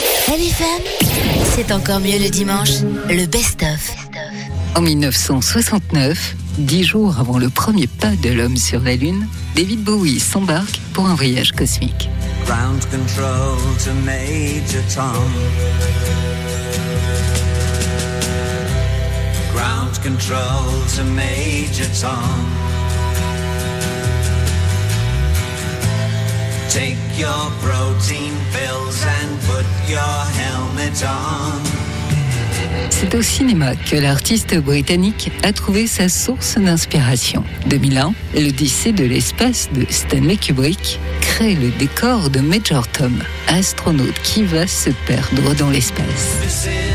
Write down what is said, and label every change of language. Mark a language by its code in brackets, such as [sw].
[fr] Chérie FM, c'est encore mieux le dimanche, le best-of. En 1969, 10 jours avant le premier pas de l'homme sur la Lune, David Bowie s'embarque pour un voyage cosmique. [en] Ground control to Major Tom. Ground control to Major Tom. Take your protein pills and put your helmet on. [fr] C'est au cinéma que l'artiste britannique a trouvé sa source d'inspiration. 2001, l'Odyssée de l'espace de Stanley Kubrick crée le décor de Major Tom, astronaute qui va se perdre dans l'espace.